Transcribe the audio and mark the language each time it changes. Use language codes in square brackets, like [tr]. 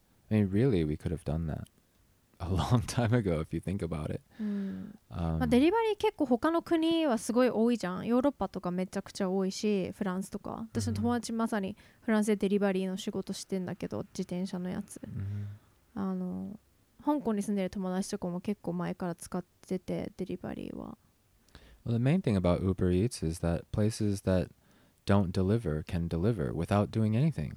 [en] I mean, really, we could have done that a long time ago if you think about it. [ja] まあ、デリバリー結構他の国はすごい多いじゃん。ヨーロッパとかめちゃくちゃ多いし、フランスとか。私の友達まさにフランスでデリバリーの仕事してんだけど、自転車のやつ。香港に住んでる友達とかも結構前から使ってて、デリバリーは。 [en] Well, the main thing about Uber Eats is that places that don't deliver can deliver without doing anything.